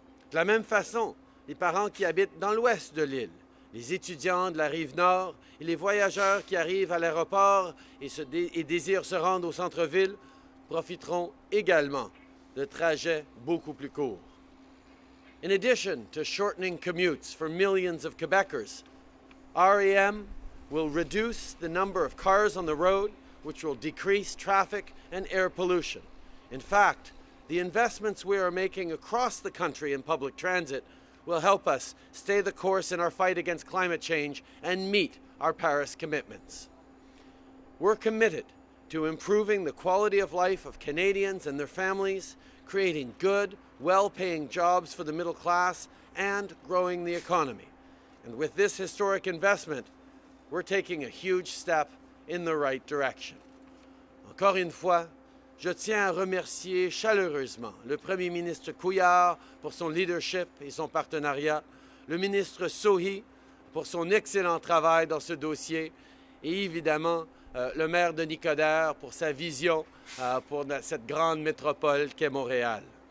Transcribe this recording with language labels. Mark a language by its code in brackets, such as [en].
[fr] De la même façon, les parents qui habitent dans l'ouest de l'île, les étudiants de la rive nord et les voyageurs qui arrivent à l'aéroport et désirent se rendre au centre-ville profiteront également de trajets beaucoup plus courts. [en] In addition to shortening commutes for millions of Quebecers, REM will reduce the number of cars on the road, which will decrease traffic and air pollution. In fact, the investments we are making across the country in public transit will help us stay the course in our fight against climate change and meet our Paris commitments. We're committed to improving the quality of life of Canadians and their families, creating good, well-paying jobs for the middle class, and growing the economy. And with this historic investment, we're taking a huge step in the right direction. [fr] Encore une fois, je tiens à remercier chaleureusement le Premier ministre Couillard pour son leadership et son partenariat, le ministre Sohi pour son excellent travail dans ce dossier et évidemment le maire de Nicodère pour sa vision pour cette grande métropole qu'est Montréal.